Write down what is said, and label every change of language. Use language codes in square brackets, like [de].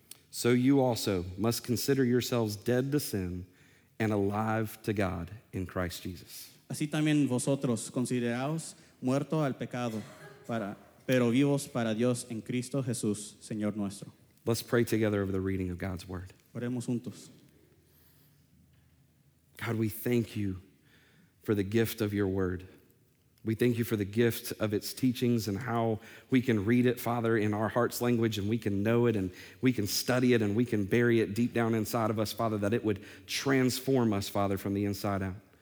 [en] So you also must consider yourselves dead to sin and alive to God in Christ Jesus. [es] Así también vosotros consideraos muerto al pecado, pero vivos para Dios en Cristo Jesús, Señor nuestro. [en] Let's pray together over the reading of God's word. [es] Oremos juntos. [en] God, we thank you for the gift of your word. We thank you for the gift of its teachings and how we can read it, Father, in our heart's language, and we can know it and we can study it and we can bury it deep down inside of us, Father, that it would transform us, Father, from the inside out.